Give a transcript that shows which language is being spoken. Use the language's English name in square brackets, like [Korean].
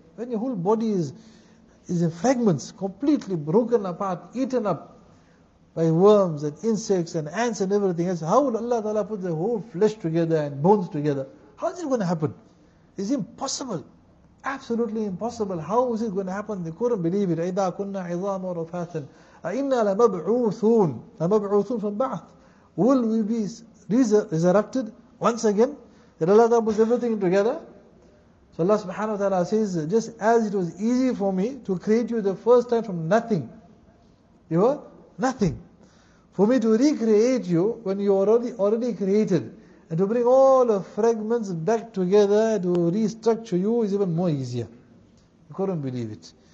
[English] When your whole body is in fragments, completely broken apart, eaten up by worms and insects and ants and everything else, how will Allah ta'ala put the whole flesh together and bones together? How is it going to happen? It's impossible. Absolutely impossible. How is it going to happen? They couldn't believe it. [Arabic] إِذَا كُنَّا عِظَامًا وَرُفَاتًا أَإِنَّا لَمَبْعُوثُونَ لَمَبْعُوثُونَ from Ba'ath. [English] Will we be resurrected once again? That Allah Ta'ala puts everything together. So Allah subhanahu wa ta'ala says, just as it was easy for me to create you the first time from nothing. You were nothing. For me to recreate you when you were already created and to bring all the fragments back together to restructure you is even more easier. You couldn't believe it.